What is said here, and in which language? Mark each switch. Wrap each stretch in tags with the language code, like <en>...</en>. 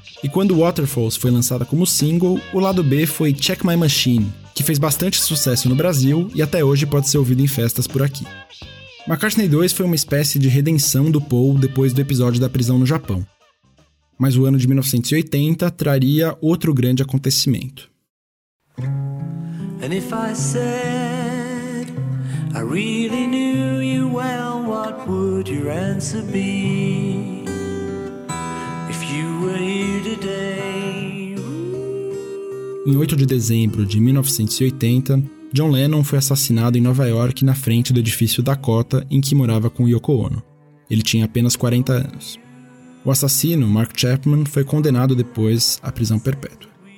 <pt>E quando Waterfalls foi lançada como single, o lado B foi Check My Machine, que fez bastante sucesso no Brasil e até hoje pode ser ouvido em festas por aqui. McCartney 2 foi uma espécie de redenção do Paul depois do episódio da prisão no Japão. Mas o ano de 1980 traria outro grande acontecimento.</pt> <en>And if I said I really knew you well, what would your answer be? If you were here today.</en> <pt>Em 8 de dezembro de 1980, John Lennon foi assassinado em Nova York na frente do edifício Dakota em que morava com Yoko Ono. Ele tinha apenas 40 anos. O assassino, Mark Chapman, foi condenado depois à prisão perpétua.</pt>